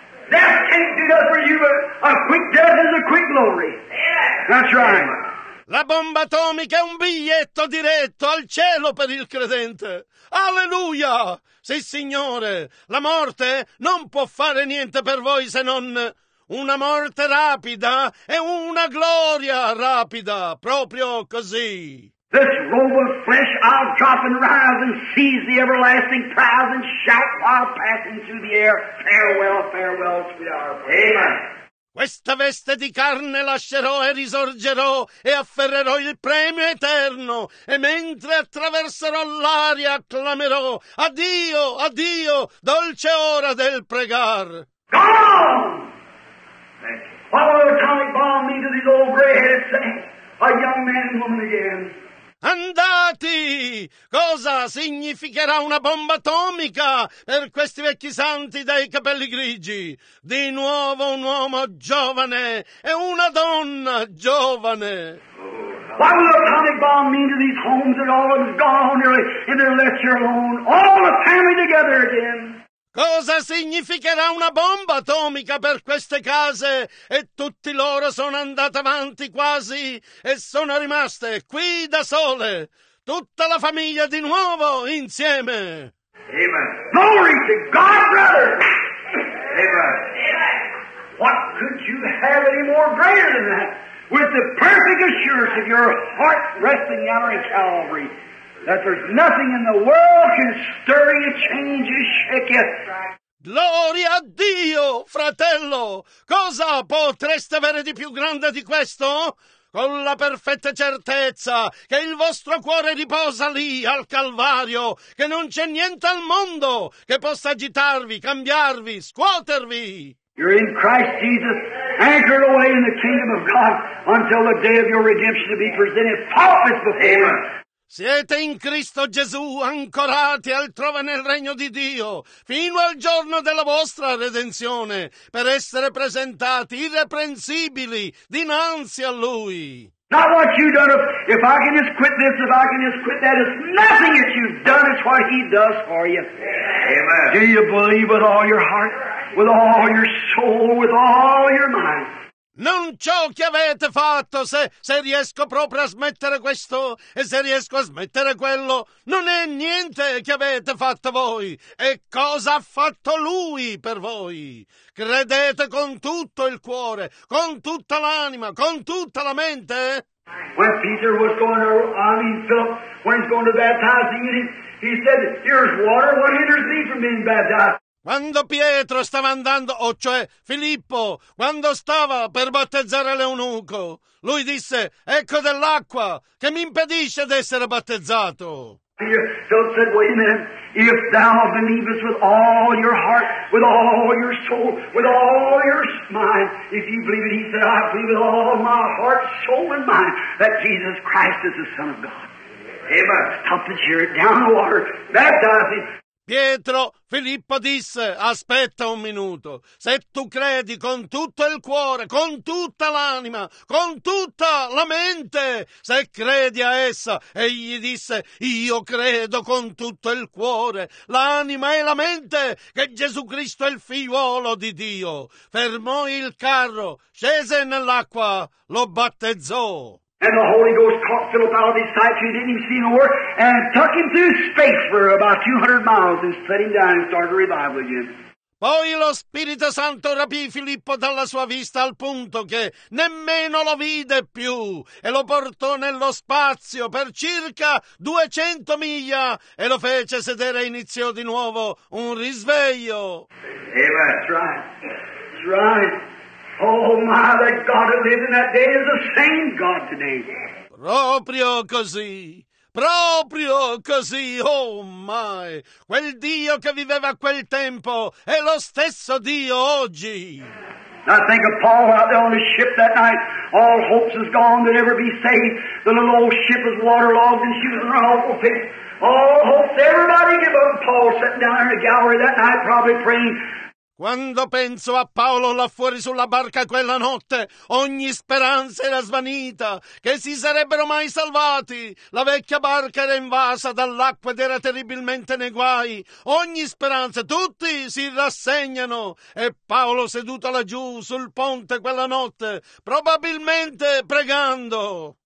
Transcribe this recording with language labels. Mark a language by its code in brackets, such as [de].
[en] Death can't do that for you, but a quick death is a quick glory. Amen. That's right. [it] La bomba atomica è un biglietto diretto al cielo per il credente. Alleluia! Sì, Signore, la morte non può fare niente per voi se non una morte rapida e una gloria rapida, proprio così. [en] This robe of flesh I'll drop and rise and seize the everlasting prize and shout while passing through the air, farewell, farewell, sweetheart. Amen. [it] Questa veste di carne lascerò e risorgerò e afferrerò il premio eterno e mentre attraverserò l'aria acclamerò addio, addio, dolce ora del pregar. [en] Go on! What will the atomic bomb mean to these old gray-headed saints? A young man and woman again. [it] Andati! Cosa significherà una bomba atomica per questi vecchi santi dai capelli grigi? Di nuovo un uomo giovane e una donna giovane. [en] What will the atomic bomb mean to these homes that all is gone and they're left here alone? All the family together again. [it] Cosa significherà una bomba atomica per queste case? E tutti loro sono andati avanti quasi e sono rimaste qui da sole. Tutta la famiglia di nuovo insieme. [en] Amen. Glory to God, brother! Amen. What could you have any more greater than that? With the perfect assurance of your heart resting out in Calvary. That there's nothing in the world can stir you, change you, shake you. [it] Gloria a Dio, fratello! Cosa potreste avere di più grande di questo? Con la perfetta certezza che il vostro cuore riposa lì, al Calvario, che non c'è niente al mondo che possa agitarvi, cambiarvi, scuotervi! [en] You're in Christ Jesus, anchored away in the kingdom of God until the day of your redemption to be presented faultless before Him. [it] Siete in Cristo Gesù ancorati altrove nel regno di Dio fino al giorno della vostra redenzione per essere presentati irreprensibili dinanzi a Lui. [en] Not what you've done, if I can just quit this, if I can just quit that, it's nothing that you've done, it's what He does for you. Amen. Do you believe with all your heart, with all your soul, with all your mind? [it] Non ciò che avete fatto, se riesco proprio a smettere questo e se riesco a smettere quello, non è niente che avete fatto voi. E cosa ha fatto Lui per voi? Credete con tutto il cuore, con tutta l'anima, con tutta la mente? [en] When Peter was going to, Philip, when he's going to baptize him, he said, here's water, what hinders me from being baptized? [it] Quando Pietro stava andando, Filippo, quando stava per battezzare l'eunuco, lui disse, ecco dell'acqua che mi impedisce di essere battezzato. [en] Philip said, wait a minute, if thou believest with all your heart, with all your soul, with all your mind, if you believe it, he said, I believe with all my heart, soul and mind that Jesus Christ is the Son of God. Amen. Stop the chariot down the water, baptize him. [it] Pietro, Filippo disse, aspetta un minuto, se tu credi con tutto il cuore, con tutta l'anima, con tutta la mente, se credi a essa, egli disse, io credo con tutto il cuore, l'anima e la mente, che Gesù Cristo è il figliuolo di Dio. Fermò il carro, scese nell'acqua, lo battezzò. [en] And the Holy Ghost caught Philip out of his sight, he didn't even see no word, and took him through space for about 200 miles and set him down and started a revival again. [it] Poi lo Spirito Santo rapì Filippo dalla sua vista al punto che nemmeno lo vide più e lo portò nello spazio per circa 200 miglia e lo fece sedere e iniziò di nuovo un risveglio. [en] Amen. That's right. That's right. Oh my, that God that lived in that day is the same God today. [it] Proprio così. Proprio così, [en] oh my. [it] Quel Dio che viveva a quel tempo è lo stesso Dio oggi. [en] I think of Paul out there on his ship that night. All hopes is gone to ever be saved. The little old ship is waterlogged and she was in her awful fix. All hopes, everybody give up. Paul sitting down in the gallery that night probably praying. [it] Quando penso a Paolo là fuori sulla barca quella notte, ogni speranza era svanita, che si sarebbero mai salvati. La vecchia barca era invasa dall'acqua ed era terribilmente nei guai. Ogni speranza, tutti si rassegnano. E Paolo seduto laggiù sul ponte quella notte, probabilmente pregando.